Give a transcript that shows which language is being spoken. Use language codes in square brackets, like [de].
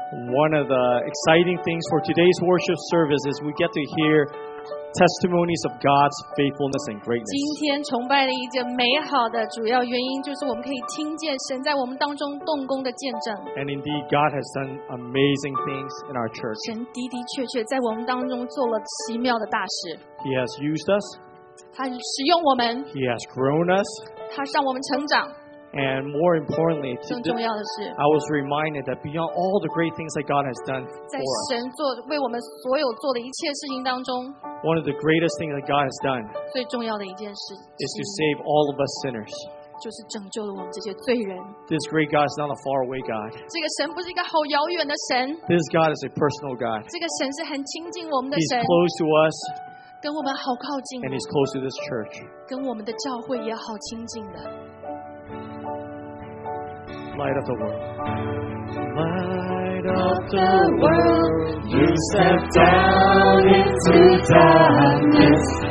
[en] One of the exciting things for today's worship service is we get to hear testimonies of God's faithfulness and greatness. [zh] 今天崇拜的一件美好的主要原因就是我们可以听见神在我们当中动工的见证。 [en] And indeed, God has done amazing things in our church. [zh] 神的的确确在我们当中做了奇妙的大事。 [en] He has used us. [zh] 他使用我们。 [en] He has grown us. [zh] 他让我们成长。 [en] And more importantly, [zh] 更重要的是, [en] I was reminded that beyond all the great things that God has done for us, one of the greatest things that God has done is to save all of us sinners. This great God is not a faraway God. This God is a personal God. He's close to us. [zh] 跟我们好靠近, [en] and he's close to this church. [zh] 跟我们的教会也好亲近的。 [en] Light of the world. Light of the world, you step down into darkness.